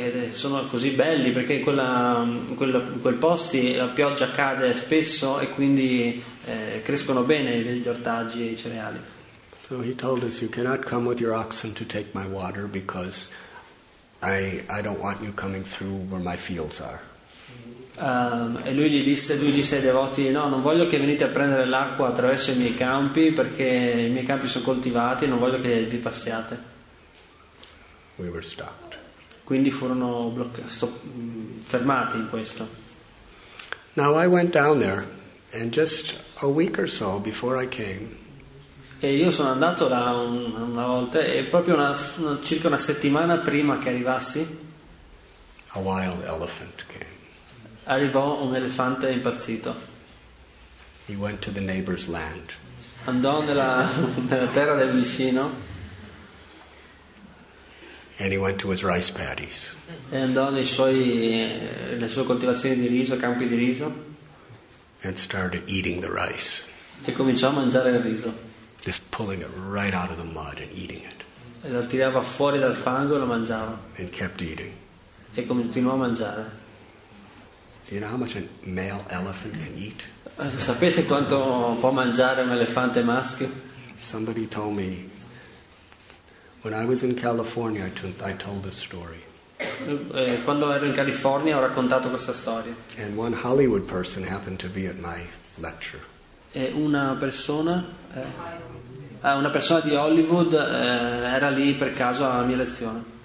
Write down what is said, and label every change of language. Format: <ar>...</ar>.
<it>Sono così belli perché quel posto la pioggia cade spesso e quindi crescono bene gli ortaggi e i cereali.</it> <en>So he told us, you cannot come with your oxen to take my water because I don't want you coming through where my fields are.</en> <it>E lui gli disse ai devoti, no, non voglio che venite a prendere l'acqua attraverso i miei campi perché i miei campi sono coltivati e non voglio che vi passiate.</it> <en>We were stopped.</en> <it>Quindi furono fermati in questo.</it> <en>Now I went down there and just a week or so before I came.</en> <it>E io sono andato là una volta e proprio circa una settimana prima che arrivassi.</it> <en>A wild elephant came.</en> <it>Arrivò un elefante impazzito.</it> <en>He went to the neighbor's land.</en> <it>Andò nella terra del vicino.</it> <en>And he went to his rice paddies.</en> <it>E andò le sue coltivazioni di riso, campi di riso.</it> <en>And started eating the rice.</en> <it>E cominciò a mangiare il riso.</it> <en>Just pulling it right out of the mud and eating it.</en> <it>E lo tirava fuori dal fango e lo mangiava.</it> <en>And kept eating.</en> <it>E continuò a mangiare.</it> <en>Do you know how much a male elephant can eat?</en> <it>Sapete quanto può mangiare un elefante maschio?</it> <en>Somebody told me, when I was in California, I told this story.</en> <it>Quando ero in California ho raccontato questa storia.</it> <en>And one Hollywood person happened to be at my lecture.</en> <it>E una persona di Hollywood era lì per caso alla mia lezione.</it>